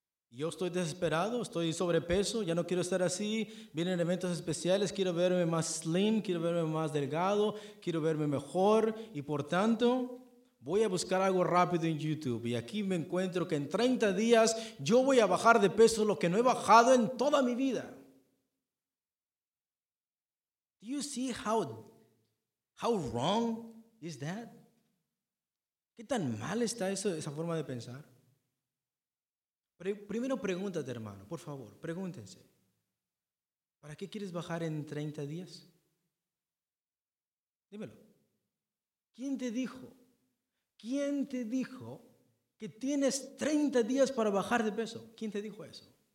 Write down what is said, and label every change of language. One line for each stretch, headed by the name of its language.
Spanish: Yo estoy desesperado, estoy sobrepeso, ya no quiero estar así, vienen eventos especiales, quiero verme más slim, quiero verme más delgado, quiero verme mejor, y por tanto, voy a buscar algo rápido en YouTube. Y aquí me encuentro que en 30 días yo voy a bajar de peso lo que no he bajado en toda mi vida.
English: Do you see how wrong is that?
Spanish: ¿Qué tan mal está eso, esa forma de pensar? Primero pregúntate, hermano, por favor, pregúntense. ¿Para qué quieres bajar en 30 días? Dímelo. ¿Quién te dijo? ¿Quién te dijo que tienes 30 días para bajar de peso? ¿Quién te dijo eso?